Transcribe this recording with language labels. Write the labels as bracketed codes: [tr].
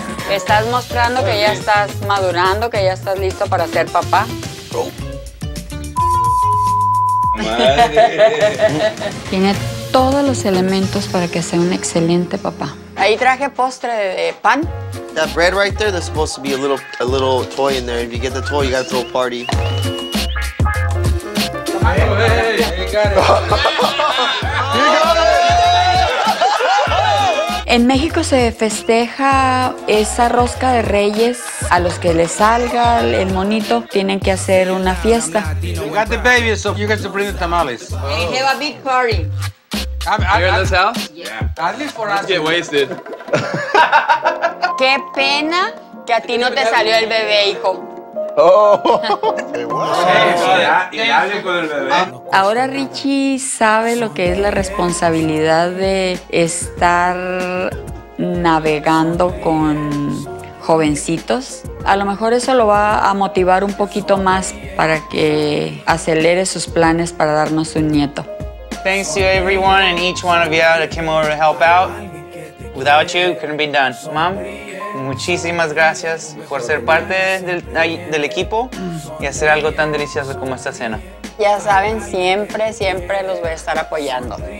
[es] Estás mostrando que ya estás madurando, que ya estás listo para ser papá. Madre. Tiene todos los elementos para que sea un excelente papá. Ahí traje postre de pan. [en] That bread right there, there's supposed to be a little toy in there. If you get the toy, you gotta throw a party. Hey, you got it. En México se festeja esa rosca de reyes. A los que les salga el monito, tienen que hacer una fiesta. You got the baby, so you guys bring the tamales. We have a big party. You're in this house? Yeah. At least for us. Get wasted. [es] Qué pena que a ti no te salió el bebé, hijo. Oh. Ahora Richie sabe lo que es la responsabilidad de estar navegando con jovencitos. A lo mejor eso lo va a motivar un poquito más para que acelere sus planes para darnos un nieto. [en] Thanks to everyone and each one of you that came over to help out. Without you, couldn't be done. [es] Mom, muchísimas gracias por ser parte del equipo y hacer algo tan delicioso como esta cena. Ya saben, siempre, siempre los voy a estar apoyando.